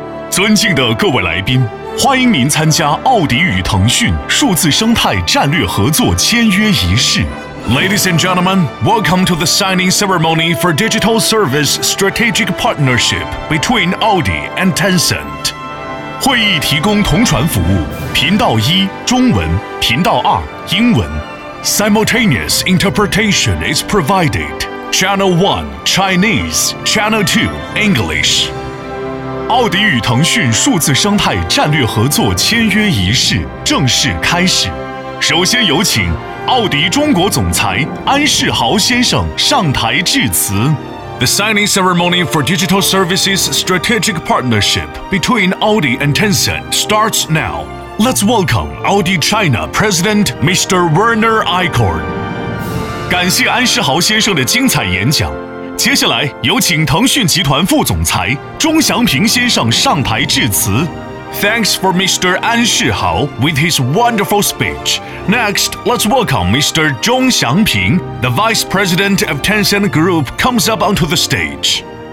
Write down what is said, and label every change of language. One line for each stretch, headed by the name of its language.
Chinese: 尊敬的各位来宾，欢迎您参加奥迪与腾讯数字生态战略合作签约仪式。
English: Ladies and gentlemen, welcome to the signing ceremony for Digital Service Strategic Partnership between Audi and Tencent.
Chinese: 会议提供同传服务，频道一中文，频道二英文。
English: Simultaneous interpretation is provided. Channel 1 Chinese, Channel 2 English.
Chinese: 奥迪与腾讯数字生态战略合作签约仪式正式开始。首先有请奥迪中国总裁安世豪先生上台致辞。
English: The signing ceremony for Digital Services Strategic Partnership between Audi and Tencent starts now. Let's welcome Audi China President Mr. Werner Eichhorn.
Chinese: 感谢安世豪先生的精彩演讲。接下来有请腾讯集团副总裁钟祥平先生上台致辞。
English: Thanks for Mr. An Shihao with his wonderful speech. Next, let's welcome Mr. Zhong Xiangping, the Vice President of Tencent Group, comes up onto the stage.